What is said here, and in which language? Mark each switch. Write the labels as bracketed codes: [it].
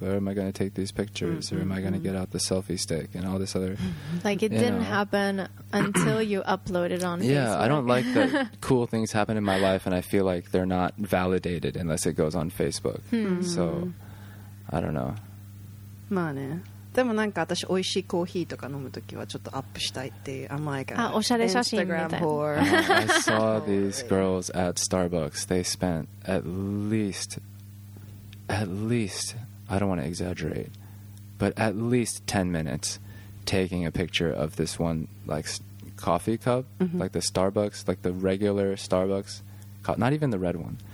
[en] Or am I going to take these pictures? Or am I going to get out the selfie stick and all this other... Like it didn't happen until you uploaded on Facebook. Yeah, I don't like that cool things happen in my life and I feel like they're not validated unless it goes on Facebook. So, I don't know. [ja] まあね。でもなんか私おいしいコーヒーとか飲むときはちょっとアップしたいっていう甘いから。あ、おしゃれ写真みたいな。 [en] I saw these girls at Starbucks. They spent at least, I don't want to exaggerate, but at least 10 minutes taking a picture of this one like coffee cup, mm-hmm. like the Starbucks, like the regular Starbucks, not even the red one.